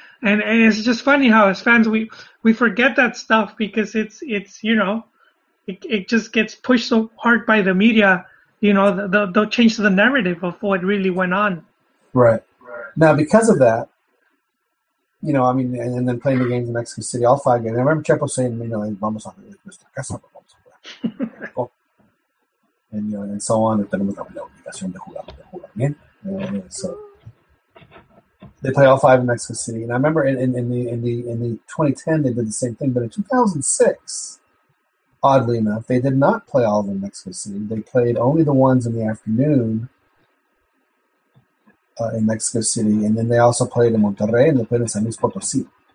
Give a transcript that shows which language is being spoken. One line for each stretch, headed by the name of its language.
English: And it's just funny how as fans we forget that stuff because it's you know, it just gets pushed so hard by the media, you know, they'll change the narrative of what really went on. Right. Now, because of that, you know, I mean, and then playing the games in Mexico City, all 5 games. I remember Chepo saying, you know,
Spanish: vamos a ver,
English: just like,
Spanish: vamos a ver.
English: And, you know, and so on.
Spanish: Tenemos la obligación de jugar bien.
English: So... They play all 5 in Mexico City, and I remember in the 2010 they did the same thing, but in 2006, oddly enough, they did not play all of them in Mexico City. They played only the ones in the afternoon in Mexico City, and then they also played in Monterrey and they played in San Luis Potosí.